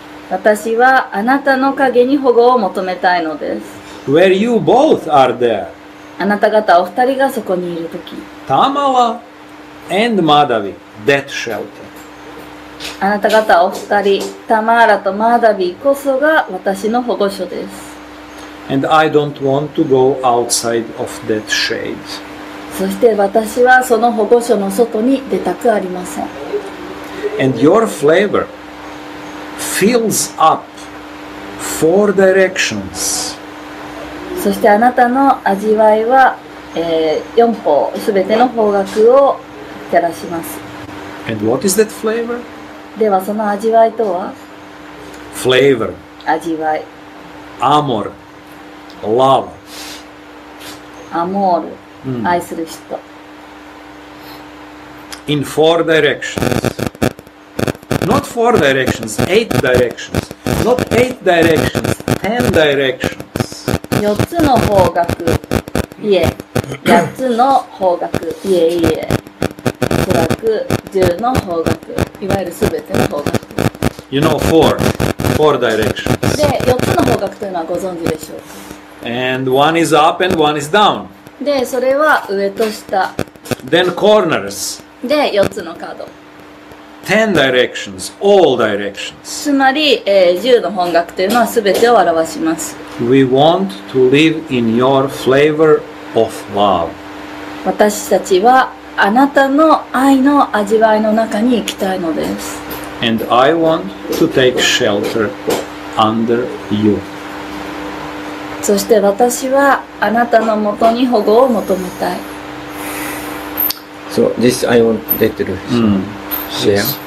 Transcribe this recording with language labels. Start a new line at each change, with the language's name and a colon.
Japanese: 私はあなたの影に保護を求めたいのです。
English: Where you both are there.
Japanese: あなた方お二人がそこにいるとき。
English: Tamala and Madhavi, that shelter.
Japanese: あなた方お二人、タマーラとマダビこそが私の保護所です。
English: And I don't want to go outside of that shade.
Japanese: そして私はその保護所の外に出たくありません。
English: And your flavor fills up four directions.
Japanese: そしてあなたの味わいは、四方すべての方角を照らします。
English: And what is that flavor?
Japanese: ではその味わいとは?
English: Flavor.
Japanese: 味わい。
English: Amor. Love.
Japanese: Amor. 愛する人。
English: In four directions. Not four directions, eight directions. Not eight directions, ten directions.
Japanese: 四つの方角。いえ、八つの方角。いえいえ。おそらく十の方角。いわゆるすべての方角。
English: You know four. Four directions.
Japanese: で、四つの方角というのはご存知でしょうか?
English: And one is up and one is down.
Japanese: で、それは上と下。
English: Then corners.
Japanese: で、四つの角。
English: Ten directions, all directions.
Japanese: つまり、十の方角というのは全てを表します。
English: We want to live in your flavor of love.
Japanese: 私たちはあなたの愛の味わいの中に行きたいのです。
English: And I want to take shelter under you.
Japanese: そして私はあなたのもとに保護を求めたい。
English: So this I want to let you share.